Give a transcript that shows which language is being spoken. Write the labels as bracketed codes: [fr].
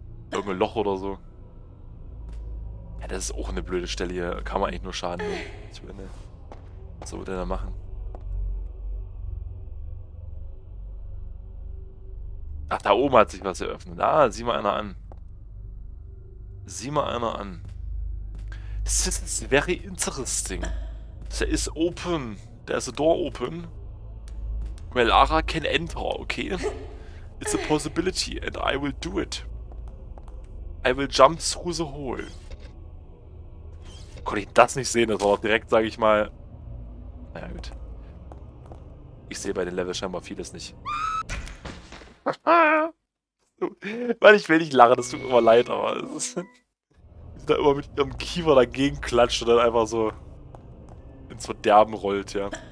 [de] Irgendein Loch oder so. Ja, das ist auch eine blöde Stelle hier. Kann man eigentlich nur Schaden nehmen. Ich meine, was soll man denn da machen? Ach, da oben hat sich was eröffnet. Ah, sieh mal einer an. Sieh mal einer an. [en] This is very interesting. There is open. There is a door open. Where Lara can enter, okay? It's a possibility and I will do it. I will jump through the hole. [de] Konnte ich das nicht sehen? Das war doch direkt, sage ich mal. Naja, gut. Ich sehe bei den Level scheinbar vieles nicht. Mann, ich will nicht lachen, das tut mir immer leid, aber es ist. Wie sie da immer mit ihrem Kiefer dagegen klatscht und dann einfach so ins Verderben rollt, ja.